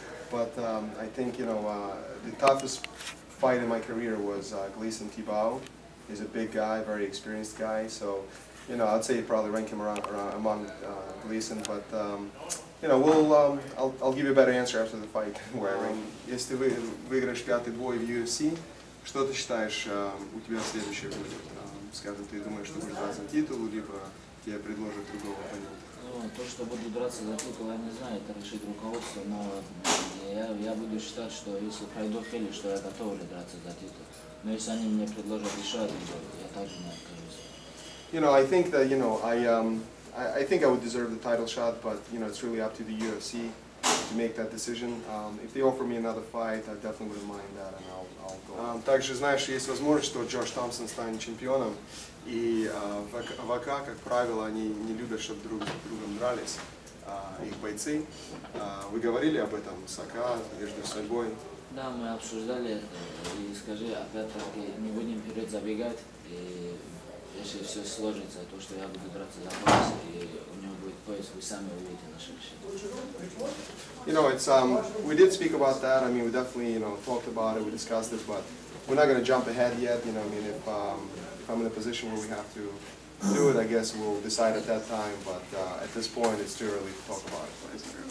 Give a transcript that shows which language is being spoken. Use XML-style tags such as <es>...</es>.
<en>But I think, you know, the toughest fight in my career was Gleison Tibau. He's a big guy, very experienced guy. So, you know, I'd say you'd probably rank him around among Gleison. But, you know, we'll I'll give you a better answer after the fight where I rank.</en> <ru>Если вы выиграешь пятый бой в UFC, что ты считаешь, у тебя следующее будет? Скажем, ты думаешь, что будешь драться за титул, либо тебе предложат другого оппонента? Ну, то, что буду драться за титул, я не знаю, это решит руководство, но я буду считать, что если пройду Хели, что я готов драться за титул. Но если они мне предложат еще один бой, я также не откажусь.</ru> <en>You know, I think that, you know, I think I would deserve the title shot, but, you know, it's really up to the UFC to make that decision. If they offer me another fight, I definitely wouldn't mind that, and I'll go.</en> <ru>Также знаешь, есть возможность, что Джордж Томпсон станет чемпионом, и в АК, как правило, они не любят, чтобы друг с другом дрались, их бойцы. Вы говорили об этом с АК между собой? Да, мы обсуждали это, и скажи, опять-таки, не будем вперед забегать, и если все сложится, то, что я буду драться за пояс, и у него будет пояс, вы сами увидите наши решения.</ru> <en>You know, it's we did speak about that. I mean, we definitely, you know, talked about it, we discussed it, but we're not going to jump ahead yet. You know, I mean, if I'm in a position where we have to do it, I guess we'll decide at that time. But at this point, it's too early to talk about it.</en>